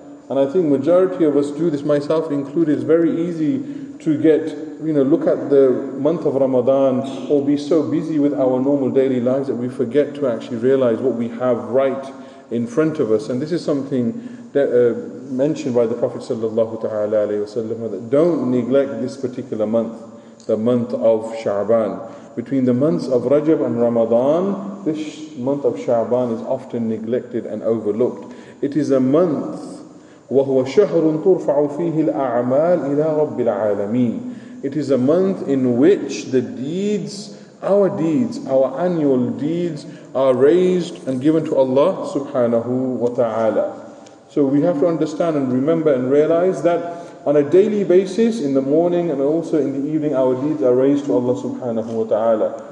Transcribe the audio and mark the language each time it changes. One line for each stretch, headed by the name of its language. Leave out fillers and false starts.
English: And I think majority of us do this, myself included. It's very easy to get, you know, look at the month of Ramadan or be so busy with our normal daily lives that we forget to actually realize what we have right in front of us. And this is something that mentioned by the Prophet sallallahu ta'ala alayhi wasallam, that don't neglect this particular month, the month of Sha'ban. Between the months of Rajab and Ramadan, this month of Sha'ban is often neglected and overlooked. It is a month,
Arabic: وَهُوَ شَهْرٌ تُرْفَعُ فِيهِ الْأَعْمَالِ إِلَىٰ رَبِّ الْعَالَمِينَ.
English: It is a month in which the deeds, our deeds, our annual deeds are raised and given to Allah subhanahu wa ta'ala. So we have to understand and remember and realize that on a daily basis, in the morning and also in the evening, our deeds are raised to Allah subhanahu wa ta'ala.